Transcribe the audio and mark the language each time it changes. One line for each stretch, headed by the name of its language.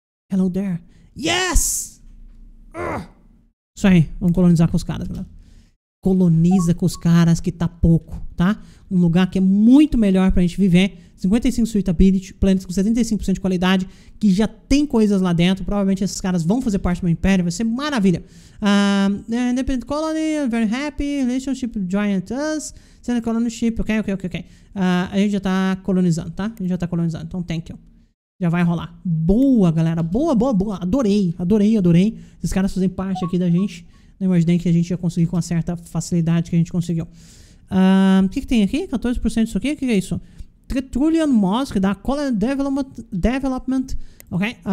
English: Hello there. Yes!
Portuguese: Isso aí, vamos colonizar com os caras, galera. Coloniza com os caras que tá pouco, tá? Um lugar que é muito melhor pra gente viver. 55 suitability, planetas com 75% de qualidade, que já tem coisas lá dentro. Provavelmente esses caras vão fazer parte do meu império, vai ser maravilha.
English: Independent colony, I'm very happy. Relationship joined us.
Portuguese: Sendo colonization, ok. A gente já tá colonizando, tá? A gente já tá colonizando, então
English: thank you.
Portuguese: Já vai rolar. Boa, galera. Boa. Adorei. Esses caras fazem parte aqui da gente. Não imaginei que a gente ia conseguir com a certa facilidade que a gente conseguiu. O que tem aqui? 14% disso aqui? O que é isso? Tertullian Mosque da Colony Development. Ok.